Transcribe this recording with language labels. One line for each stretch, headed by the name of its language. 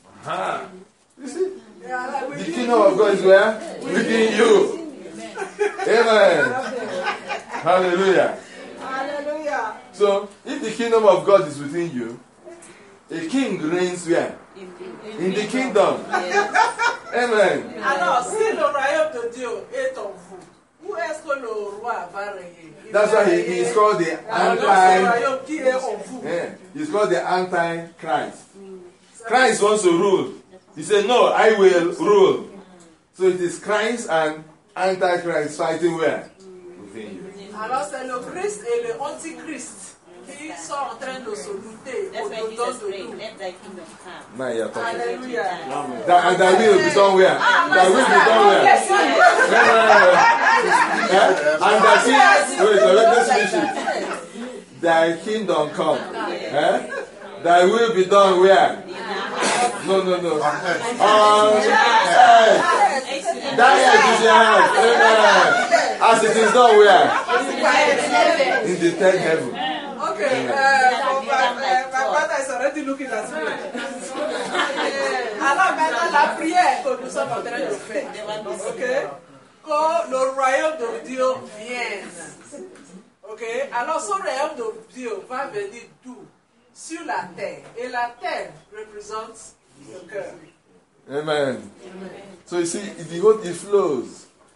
English: Aha. You see? The kingdom of God is where? Within you. Amen. Hallelujah. Hallelujah. So, if the kingdom of God is within you, a king reigns where? In the kingdom. Yes. Amen.
French: Alors, si le royaume de Dieu est en vous, où est-ce que le roi va régner?
English: That's why he is called the anti. He's called the anti-Christ. Christ wants to rule. He said, no, I will rule. So it is Christ and anti-Christ fighting where? Within you.
French: Alors c'est le Christ et le anti-Christ qui sont en train de se lutter au nom de Dieu.
English: Let thy kingdom come. Now you're talking. Hallelujah. And that will be somewhere. That will be somewhere. And that will be somewhere. Thy kingdom come. Thy will be done where? No. As it is done where? In the third heaven. Okay. My brother is already looking at me.
French: Alors maintenant, la prière que nous sommes en train de faire. Okay. Que le royaume de Dieu vienne. Okay. Alors, ce royaume de Dieu va venir d'où? Sur la terre. Et la terre représente le cœur.
English: Amen. So you see, the whole, it flows.